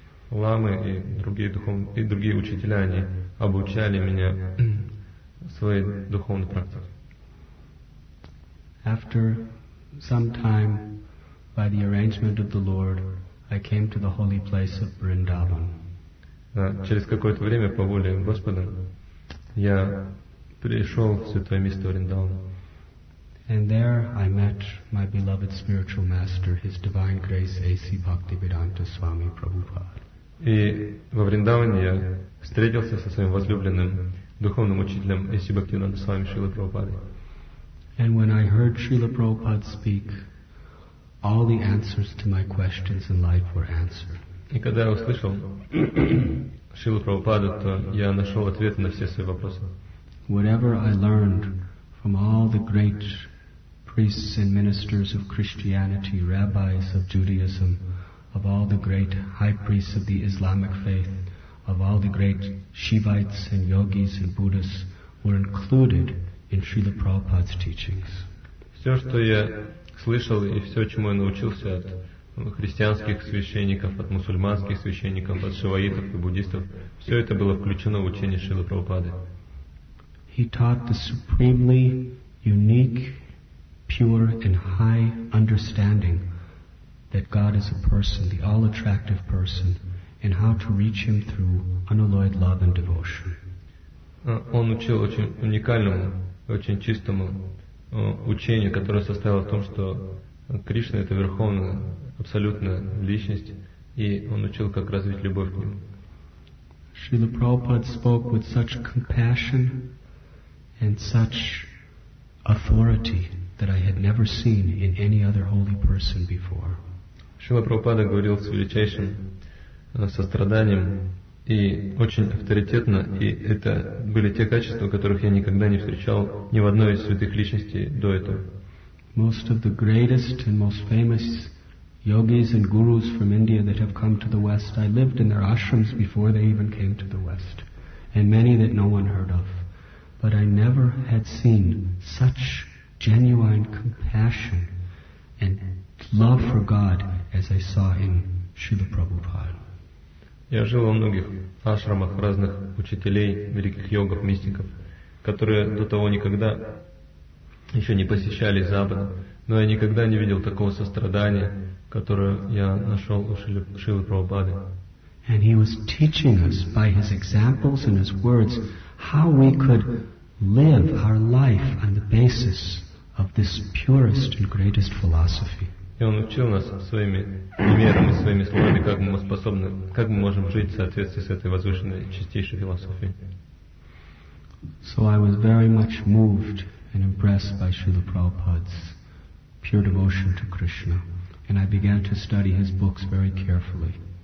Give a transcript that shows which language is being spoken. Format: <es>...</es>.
<ru>Ламы и другие учителя, они обучали меня своей духовной практике.</ru> <en>After some time, by the arrangement of the Lord, I came to the holy place of Vrindavan.</en> <ru>Через какое-то время, по воле Господа, я пришел в святое место Вриндавана.</ru> <en>And there I met my beloved spiritual master, His Divine Grace, A.C. Bhaktivedanta Swami Prabhupada.</en> <ru>И во Вриндаване я встретился со своим возлюбленным духовным учителем A.C. Bhaktivedanta Swami Srila Prabhupada.</ru> <en>And when I heard Srila Prabhupada speak, all the answers to my questions in life were answered.</en> <ru>И когда я услышал Шрилу Прабхупаду, то я нашел ответы на все свои вопросы.</ru> <en>Whatever I learned from all the great priests and ministers of Christianity, rabbis of Judaism, of all the great high priests of the Islamic faith, of all the great Shivites and yogis and Buddhists were included in Srila Prabhupada's teachings.</en> <ru>Все, что я слышал и все, чему я научился от христианских священников, от мусульманских священников, от шиваитов и буддистов, все это было включено в учение Шрилы Прабхупады.</ru> <en>He taught the supremely unique, pure and high understanding that God is a person, the all-attractive person, and how to reach Him through unalloyed love and devotion.</en> <ru>Он учил очень уникальному, очень чистому учению, которое состояло в том, что Кришна — это верховная, абсолютная личность, и он учил, как развить любовь к Нему.</ru> <en>Srila Prabhupada spoke with such compassion and such authority that I had never seen in any other holy person before.</en> <ru>Srila Prabhupada говорил с величайшим состраданием и очень авторитетно, и это были те качества, которых я никогда не встречал ни в одной из святых личностей до этого.</ru> <en>Most of the greatest and most famous yogis and gurus from India that have come to the West, I lived in their ashrams before they even came to the West, and many that no one heard of. But I never had seen such genuine compassion and love for God as I saw in Srila Prabhupada.</en> <ru>Я жил во многих ашрамах разных учителей, великих йогов, мистиков, которые до того никогда еще не посещали Запада, но я никогда не видел такого сострадания, которое я нашел у Шрилы Прабхупады.</ru> <en>And he was teaching us by his examples and his words how we could live our life on the basis of this purest and greatest philosophy.</en> <ru>И он учил нас своими примерами, своими словами, как мы способны, как мы можем жить в соответствии с этой возвышенной, чистейшей философией.</ru> <en>So I was very much moved and impressed by Srila Prabhupada's pure devotion to Krishna, and I began to study his books very carefully.</en>